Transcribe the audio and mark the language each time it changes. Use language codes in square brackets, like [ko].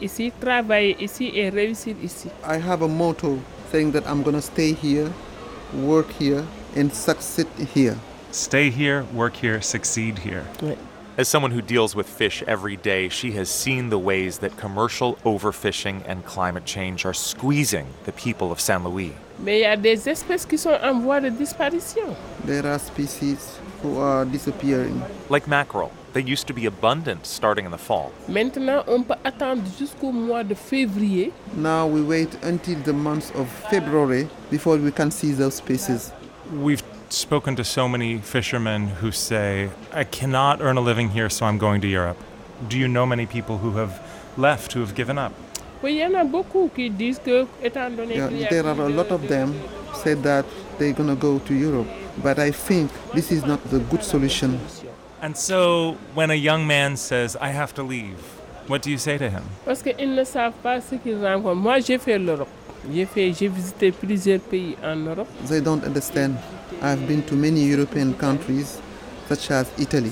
[en] I have a motto saying that I'm going to stay here, work here, and succeed here. Stay here, work here, succeed here. As someone who deals with fish every day, she has seen the ways that commercial overfishing and climate change are squeezing the people of San Luis. [fr] Mais il y a des espèces qui sont en voie de disparition. [en] There are species who are disappearing. Like mackerel. They used to be abundant starting in the fall. [fr] Maintenant, on peut attendre jusqu'au mois de février. [en] Now we wait until the month of February before we can see those species. We've spoken to so many fishermen who say, I cannot earn a living here, so I'm going to Europe. Do you know many people who have left, who have given up? [fr] Oui, y en a beaucoup qui disent que, étant donné qu'il y a... [en] There are a lot of them said that they're going to go to Europe. But I think this is not the good solution. And so, when a young man says, I have to leave, what do you say to him? [fr] Parce qu'ils ne savent pas ce qu'ils rencontrent. Moi, j'ai fait l'Europe. J'ai visité plusieurs pays en Europe. [en] They don't understand. I've been to many European countries, such as Italy.